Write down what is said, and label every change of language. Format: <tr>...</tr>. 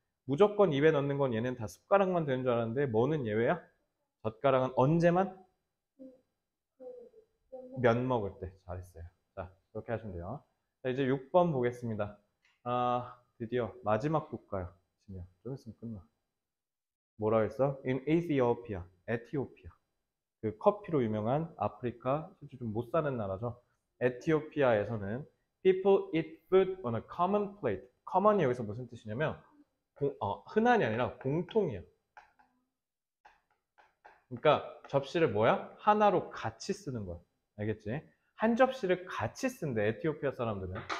<ko>무조건 입에 넣는 건 얘는 다 숟가락만 되는 줄 알았는데 뭐는 예외야? 젓가락은 언제만? 면 먹을 때. 잘했어요. 자, 그렇게 하시면 돼요. 자, 이제 6번 보겠습니다. 아, 드디어 마지막 국가요. 지금 좀 있으면 끝나. 뭐라 했어?</ko> <en>In Ethiopia,</en> <ko>에티오피아. 그 커피로 유명한 아프리카, 솔직히 좀못 사는 나라죠. 에티오피아에서는</ko> <en>people eat food on a common plate.</en> <ko>common이 여기서 무슨 뜻이냐면 흔한이 아니라 공통이야. 그러니까 접시를 뭐야? 하나로 같이 쓰는 거야. 알겠지? 한 접시를 같이 쓴대, 에티오피아 사람들은.</ko>